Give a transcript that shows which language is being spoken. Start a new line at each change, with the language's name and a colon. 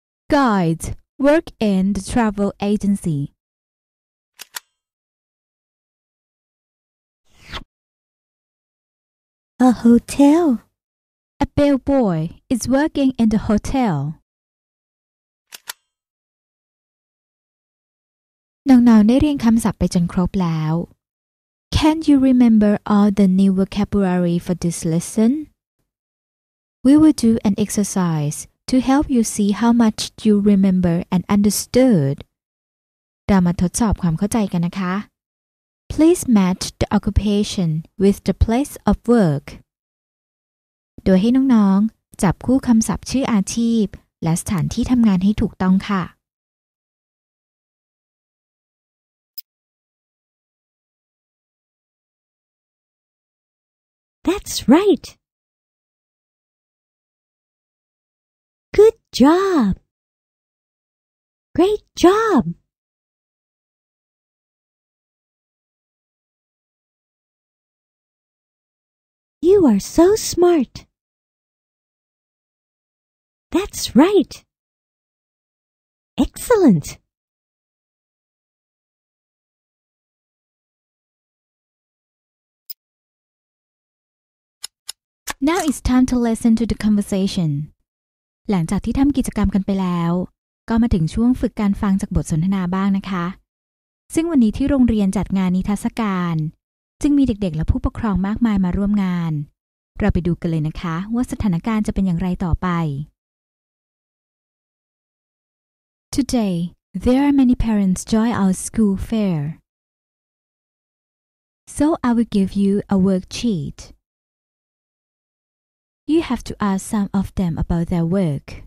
English: Guides work in the travel agency. A hotel. A bellboy is working in the hotel.
Thai: น้องๆได้เรียนคำศัพท์ไปจนครบแล้ว
English: Can you remember all the new vocabulary for this lesson? We will do an exercise to help you see how much you remember and understood.
Thai: เรามาทดสอบความเข้าใจกันนะคะ
English: Please match the occupation with the place of work.
Thai: โดยให้น้องๆจับคู่คำศัพท์ชื่ออาชีพและสถานที่ทำงานให้ถูกต้องค่ะ
English: That's right. Good job. Great job. You are so smart. That's right. Excellent. Now it's time to listen to the conversation.
Thai: หลังจากที่ทำกิจกรรมกันไปแล้วก็มาถึงช่วงฝึกการฟังจากบทสนทนาบ้างนะคะ ซึ่งวันนี้ที่โรงเรียนจัดงานนิทรรศการจึงมีเด็กๆและผู้ปกครองมากมายมาร่วมงานเราไปดูกันเลยนะคะว่าสถานการณ์จะเป็นอย่างไรต่อไป
English: Today there are many parents join our school fair. So I will give you a worksheet. You have to ask some of them about their work.